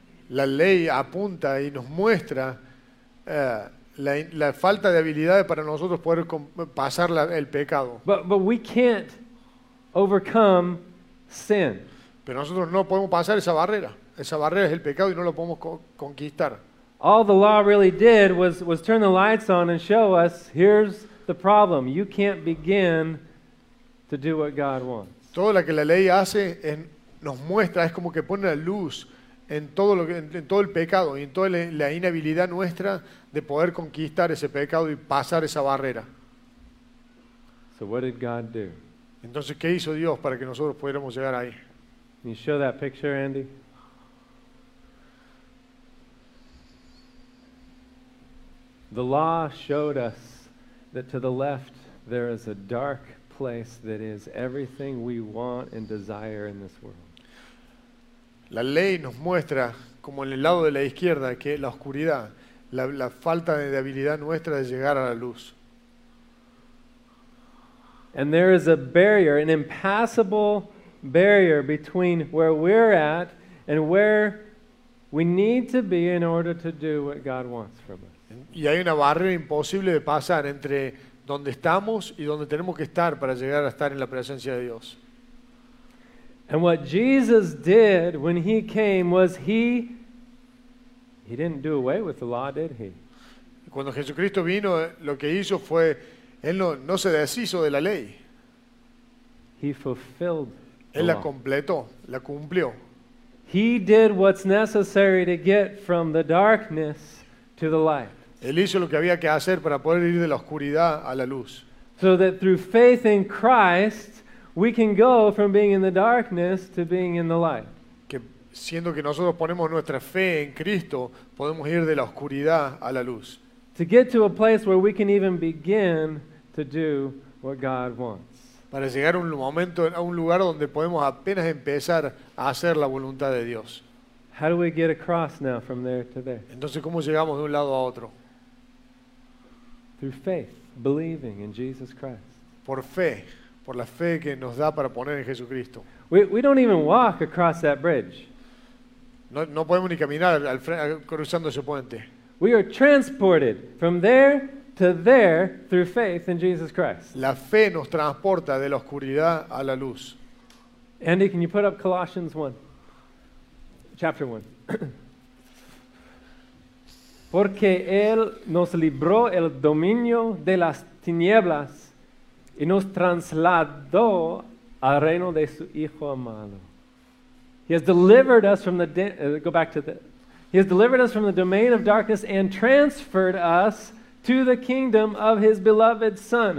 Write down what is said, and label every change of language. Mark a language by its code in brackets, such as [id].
[es] La ley apunta y nos muestra la falta de habilidades para nosotros poder pasar el pecado. [en] But we can't overcome sin. [es] Pero nosotros no podemos pasar esa barrera. Esa barrera es el pecado y no lo podemos conquistar. [en] All the law really did was turn the lights on and show us, here's the problem. You can't begin to do what God wants. [es] Todo lo que la ley hace nos muestra, es como que pone la luz en todo el pecado y en toda la inhabilidad nuestra de poder conquistar ese pecado y pasar esa barrera. [en] So what did God do? [es] Entonces, ¿qué hizo Dios para que nosotros pudiéramos llegar ahí? [en] Can you show that picture, Andy? The law showed us that to the left there is a dark place that is everything we want and desire in this world. [es] La ley nos muestra como en el lado de la izquierda que la oscuridad, la falta de habilidad nuestra de llegar a la luz. [en] And there is a barrier, an impassable barrier between where we're at and where we need to be in order to do what God wants from us. [es] Y hay una barrera imposible de pasar entre donde estamos y donde tenemos que estar para llegar a estar en la presencia de Dios. [en] And what Jesus did when he came was he didn't do away with the law, did he? [es] Cuando Jesucristo vino, lo que hizo fue, él no se deshizo de la ley. [en] He fulfilled the law. [es] Él la completó, la cumplió. [en] He did what's necessary to get from the darkness to the light. [es] Él hizo lo que había que hacer para poder ir de la oscuridad a la luz. [en] So that through faith in Christ, we can go from being in the darkness to being in the light. [es] Que siendo que nosotros ponemos nuestra fe en Cristo, podemos ir de la oscuridad a la luz. [en] To get to a place where we can even begin to do what God wants. [es] Para llegar a un lugar donde podemos apenas empezar a hacer la voluntad de Dios. [en] How do we get across now from there to there? [es] Entonces, ¿cómo llegamos de un lado a otro? [en] Through faith, believing in Jesus Christ. [es] Por fe. Por la fe que nos da para poner en Jesucristo. [en] We don't even walk across that bridge. [es] No podemos ni caminar cruzando ese puente. [en] We are transported from there to there through faith in Jesus Christ. [es] La fe nos transporta de la oscuridad a la luz. [en] Andy, can you put up Colossians 1? Chapter 1. [es] Porque Él nos libró el dominio de las tinieblas y nos trasladó al reino de su Hijo amado. [en] He has delivered us from He has delivered us from the domain of darkness and transferred us to the kingdom of His beloved Son.